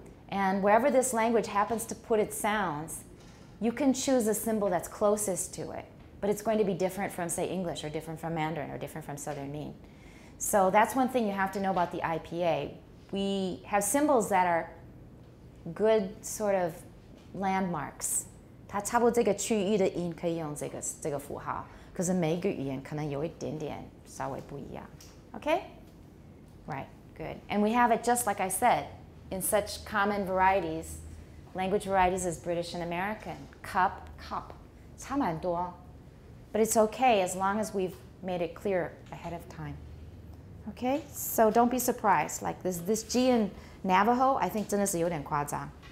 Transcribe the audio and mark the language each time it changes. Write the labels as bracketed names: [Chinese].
[English] And wherever this language happens to put its sounds, you can choose a symbol that's closest to it. But it's going to be different from, say, English, or different from Mandarin, or different from Southern Mien. So that's one thing you have to know about the IPA. We have symbols that are good sort of landmarks. [Chinese] 它差不多这个区域的音可以用这个符号, 可是每个语言可能有一点点稍微不一样. [English] Okay? Right, good. And we have it just like I said, in such common varieties, language varieties as British and American. Cup, cup. [Chinese] 差蛮多. [English] But it's okay as long as we've made it clear ahead of time. Okay? So don't be surprised. Like this G in Navajo, I think [Chinese] 真的是有点夸张.